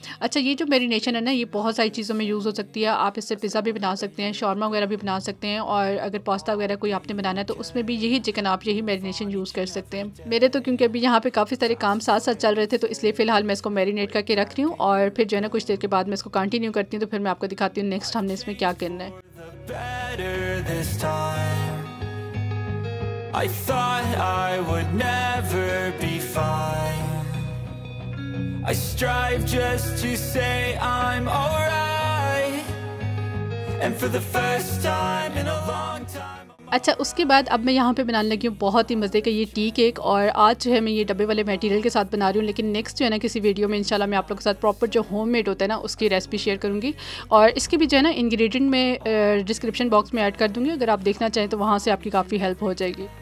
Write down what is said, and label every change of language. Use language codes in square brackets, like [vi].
[hi] अच्छा, ये जो मैरिनेशन है ना ये बहुत सारी चीज़ों में यूज़ हो सकती है, आप इससे पिज़्ज़ा भी बना सकते हैं, शॉर्मा वगैरह भी बना सकते हैं, और अगर पास्ता वगैरह कोई आपने बनाना है तो उसमें भी यही चिकन आप यही मैरिनेशन यूज़ कर सकते हैं। मेरे तो क्योंकि अभी यहाँ पर काफ़ी सारे काम साथ साथ चल रहे थे, तो इसलिए फिलहाल मैं इसको मैरिनेट करके रख रही हूँ और फिर जो है ना कुछ देर के बाद मैं इसको कंटिन्यू करती हूँ, तो फिर मैं आपको दिखाती हूँ नेक्स्ट हमने इसमें क्या करना है। [en] Better this time. I thought I would never be fine. I strive just to say I'm alright. And for the first time in a long time. [hi] अच्छा, उसके बाद अब मैं यहाँ पे बनाने लगी हूँ बहुत ही मज़े का ये टी केक, और आज जो है मैं ये डब्बे वाले मटेरियल के साथ बना रही हूँ, लेकिन नेक्स्ट जो है ना किसी वीडियो में इंशाल्लाह मैं आप लोगों के साथ प्रॉपर जो होममेड होता है ना उसकी रेसिपी शेयर करूँगी, और इसके भी जो है ना इंग्रेडिएंट में डिस्क्रिप्शन बॉक्स में ऐड कर दूँगी, अगर आप देखना चाहें तो वहाँ से आपकी काफ़ी हेल्प हो जाएगी।